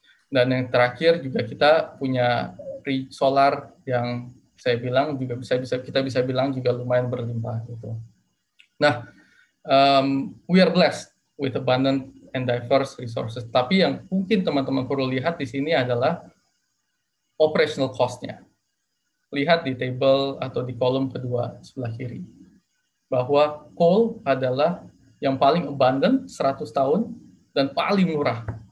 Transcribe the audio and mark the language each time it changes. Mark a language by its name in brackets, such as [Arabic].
[Indonesian] Dan yang terakhir juga kita punya solar yang saya bilang juga bisa bilang juga lumayan berlimpah gitu. [English] Nah, we are blessed with abundant and diverse resources. [Indonesian] Tapi yang mungkin teman-teman perlu lihat di sini adalah operational cost-nya. Lihat di table atau di kolom kedua sebelah kiri bahwa coal adalah yang paling abundant 100 tahun dan paling murah.